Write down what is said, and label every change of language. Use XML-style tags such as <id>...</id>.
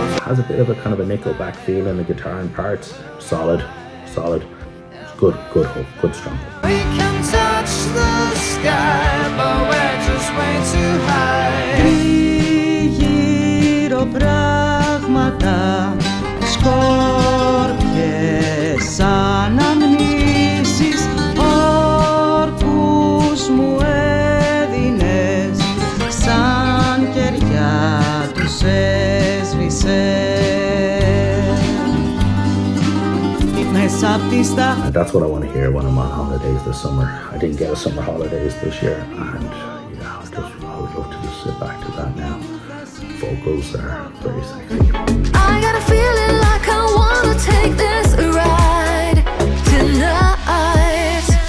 <en>Has a bit of a kind of a Nickelback feel in the guitar and parts. Solid. Good hook, good strum. We can touch the sky, but we're just way too high.</en> <el>Γύρω πράγματα σκόρπιε σαν αμνήσεις όρκους μου έδινες σαν κεριά τους έσβησες.</el> <en>And that's what I want to hear when I'm on holidays this summer. I didn't get a summer holidays this year, and yeah, I would love to just sit back to that now. Vocals are very sexy. I got a feeling like I want to take this ride tonight.</en>